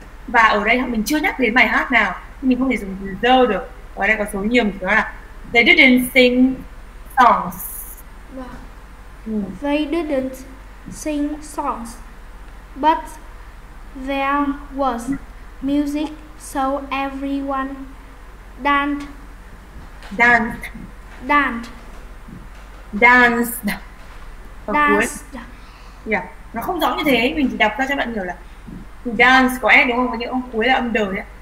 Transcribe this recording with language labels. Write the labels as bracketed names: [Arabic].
[Vietnamese] Và ở đây mình chưa nhắc đến bài hát nào, mình không thể dùng từ the được. Ở đây có số nhiều, mình nói là [English] they didn't sing songs. They didn't sing songs, but there was music, so everyone danced. [Vietnamese] Yeah, nó không giống như thế, mình chỉ đọc ra cho bạn hiểu là dance có s đúng không? Nhưng ông cuối là âm đờ nhé.